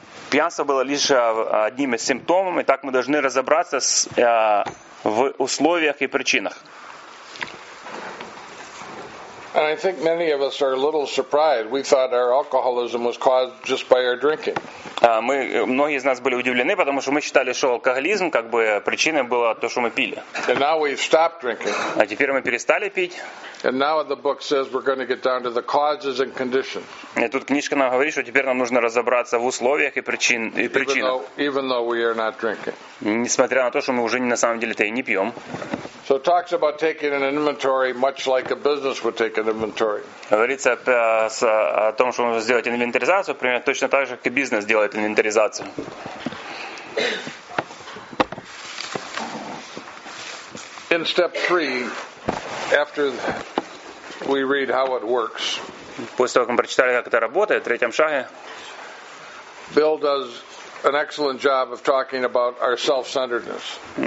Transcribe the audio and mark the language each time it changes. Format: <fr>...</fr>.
<ru>Пьянство было лишь одним из симптомов, и так мы должны разобраться в условиях и причинах.</ru> <en>And I think many of us are a little surprised. We thought our alcoholism was caused just by our drinking.</en> <ru>Многие из нас были удивлены, потому что мы считали, что алкоголизм как бы причиной было то, что мы пили.</ru> <en>And now we've stopped drinking.</en> <ru>А теперь мы перестали пить.</ru> <en>And now the book says we're going to get down to the causes and conditions.</en> <ru>И тут книжка нам говорит, что теперь нам нужно разобраться в условиях и причинах.</ru> <en>Even though we are not drinking.</en> <ru>Несмотря на то, что мы уже на самом деле-то и не пьем.</ru> <en>So it talks about taking an inventory, much like a business would take an inventory.</en> <ru>Говорится о том, что нужно сделать инвентаризацию, примерно точно так же, как и бизнес делает инвентаризацию.</ru> <en>In step three, after we read how it works.</en> <ru>После того, как мы прочитали, как это работает, в третьем шаге.</ru> <en>Bill does an excellent job of talking about our self-centeredness.</en>